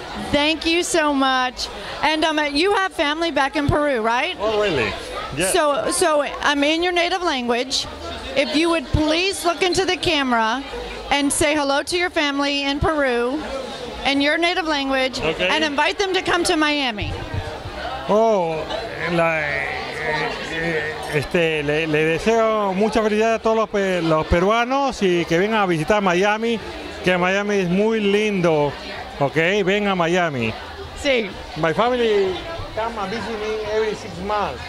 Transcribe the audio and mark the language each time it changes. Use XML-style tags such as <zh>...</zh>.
<en>Thank you so much. And you have family back in Peru, right? Oh, really? Yeah. So I'm in your native language. If you would please look into the camera and say hello to your family in Peru in your native language, okay, and invite them to come to Miami.</en> <es>Oh, le deseo mucha felicidad a todos los peruanos y que vengan a visitar Miami, que Miami es muy lindo. Okay, ven a Miami. Sí.</es> <en>My family come and visit me every 6 months.</en>